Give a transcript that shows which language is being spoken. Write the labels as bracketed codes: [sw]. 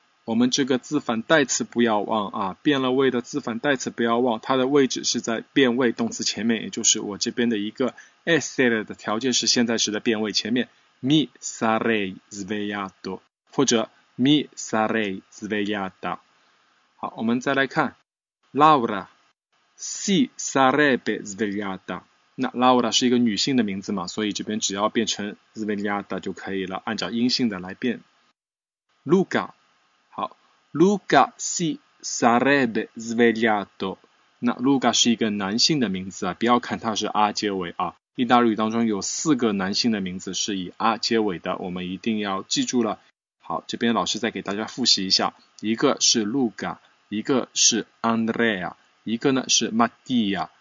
[zh] 我们这个自反代词不要忘啊，变了位的自反代词不要忘，它的位置是在变位动词前面，也就是我这边的一个 essere 的条件是现在时的变位前面， [it] mi sarei svegliato 或者 mi sarei svegliata。 [zh] 好，我们再来看 [it] Laura si sarebbe svegliata。 [zh] 那 Laura 是一个女性的名字嘛，所以这边只要变成 svegliata 就可以了，按照阴性的来变。 [it] Luca， 好 ，Luca si sarebbe svegliato。 [zh] 那 Luca 是一个男性的名字啊，不要看它是 R 结尾啊。意大利语当中有四个男性的名字是以 R 结尾的，我们一定要记住了。好，这边老师再给大家复习一下，一个是 Luca， 一个是 Andrea， 一个呢是 Mattia。